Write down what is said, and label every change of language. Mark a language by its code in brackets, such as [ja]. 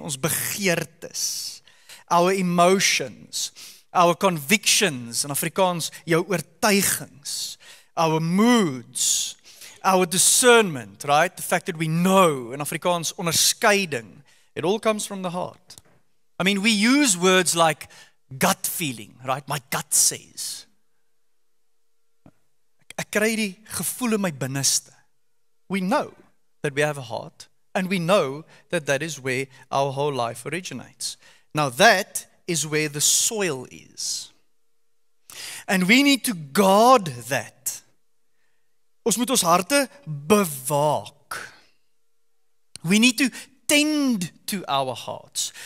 [en] Ons begeertes, our emotions, our convictions, in Afrikaans, jou oortuigings, our moods, our discernment, right? The fact that we know, in Afrikaans, onderscheiding. It all comes from the heart. I mean, we use words like gut feeling, right? My gut says. [af] Ek kry die gevoel in my binneste. [en] We know that we have a heart, and we know that that is where our whole life originates. Now that is where the soil is. And we need to guard that. Ons moet ons harte bewaak. We need to tend to our hearts.